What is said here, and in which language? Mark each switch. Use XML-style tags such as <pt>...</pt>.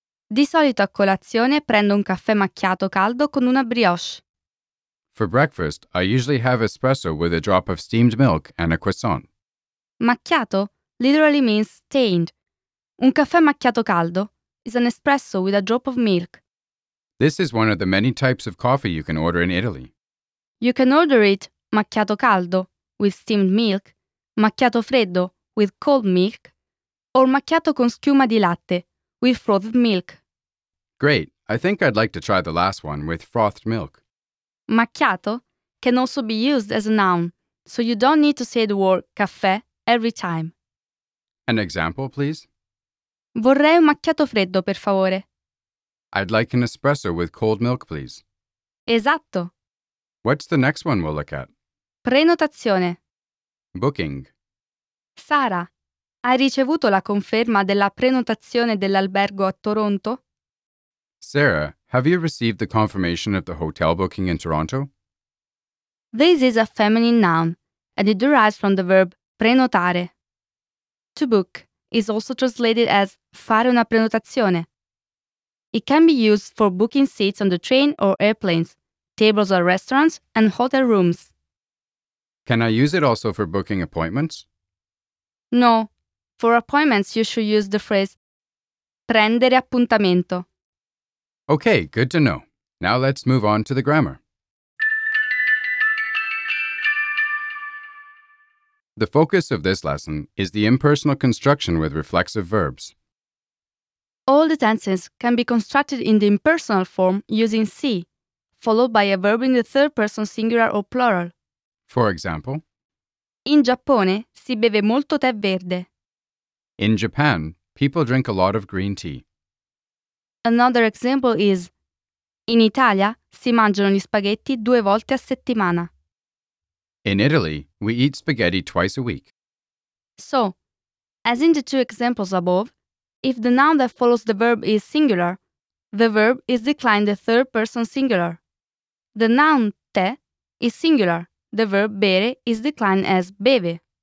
<it>Di solito a colazione prendo un caffè macchiato caldo con una brioche.</it> <en>For breakfast, I usually have espresso with a drop of steamed milk and a croissant. Macchiato literally means stained.</en> <it>Un caffè macchiato caldo</it> <en>is an espresso with a drop of milk. This is one of the many types of coffee you can order in Italy. You can order it macchiato caldo with steamed milk, macchiato freddo with cold milk, or</en> <it>macchiato con schiuma di latte</it> <en>with frothed milk. Great. I think I'd like to try the last one with frothed milk. Macchiato can also be used as a noun, so you don't need to say the word caffè every time. An example, please.</en> <it>Vorrei un macchiato freddo, per favore.</it> <en>I'd like an espresso with cold milk, please.</en> <it>Esatto.</it> <en>What's the next one we'll look at?</en> <it>Prenotazione.</it> <en>Booking.</en> <it>Sara, hai ricevuto la conferma della prenotazione dell'albergo a Toronto?</it> <en>Sarah, have you received the confirmation of the hotel booking in Toronto? This is a feminine noun, and it derives from the verb prenotare. To book is also translated as</en> <it>fare una prenotazione.</it> <en>It can be used for booking seats on the train or airplanes, tables at restaurants, and hotel rooms. Can I use it also for booking appointments? No. For appointments, you should use the phrase</en> <it>prendere appuntamento.</it> <en>Okay, good to know. Now let's move on to the grammar. The focus of this lesson is the impersonal construction with reflexive verbs. All the tenses can be constructed in the impersonal form using si, followed by a verb in the third person singular or plural. For example,</en> <it>in Giappone si beve molto tè verde.</it> <en>In Japan, people drink a lot of green tea. Another example is</en> <it>in Italia si mangiano gli spaghetti due volte a settimana.</it> <en>In Italy, we eat spaghetti twice a week. So, as in the two examples above, if the noun that follows the verb is singular, the verb is declined the third person singular. The noun te is singular. The verb bere is declined as beve.</en>